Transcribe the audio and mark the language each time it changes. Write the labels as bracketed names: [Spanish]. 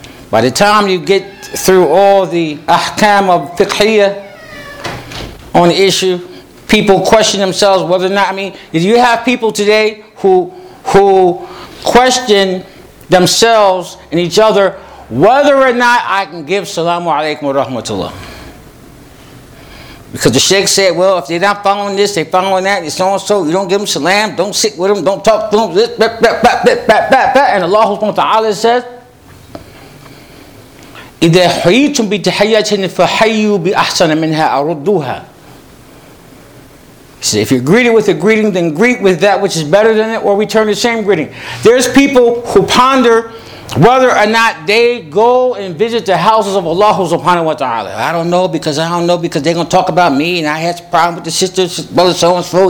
[English] By the time you get through all the ahkam of fiqhiyya on the issue, people question themselves whether or not, I mean, you have people today who question themselves and each other whether or not I can give salamu alaykum wa rahmatullah. Because the sheikh said, well, if they're not following this, they're following that, and so on, so you don't give them salam, don't sit with them, don't talk to them. And Allah subhanahu wa ta'ala says, [Arabic] إِذَا حُيِّيتُم بِتَحِيَّةٍ فَحَيُّوا بِأَحْسَنَ مِنْهَا أَرُدُّوهَا. [English] He says, if you're greeted with a greeting, then greet with that which is better than it, or return the same greeting. There's people who ponder whether or not they go and visit the houses of Allah subhanahu wa ta'ala. I don't know because they're going to talk about me, and I had a problem with the sisters, brother so-and-so.